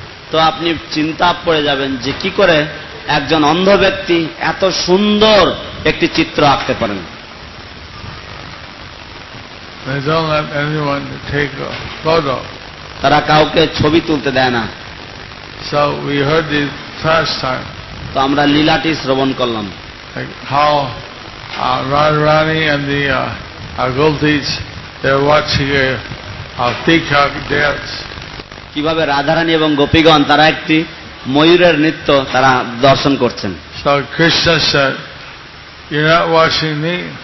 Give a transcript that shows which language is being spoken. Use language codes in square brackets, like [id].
[bn] তো আপনি চিন্তা পড়ে যাবেন যে কি করে একজন অন্ধ ব্যক্তি এত সুন্দর একটি চিত্র আঁকতে পারেন। [en] They don't let anyone take a photo. [bn] তারা কাউকে ছবি তুলতে দেয় না. [en] So we heard it first time. [bn] তো আমরা লীলাটি শ্রবণ করলাম. [en] How Radharani and the Gopis, they're watching a peacock dance. [bn] কিভাবে রাধারানী এবং গোপীগণ তারা একটি ময়ূরের নৃত্য তারা দর্শন করছেন. [en] So Krishna said, "You're not watching me.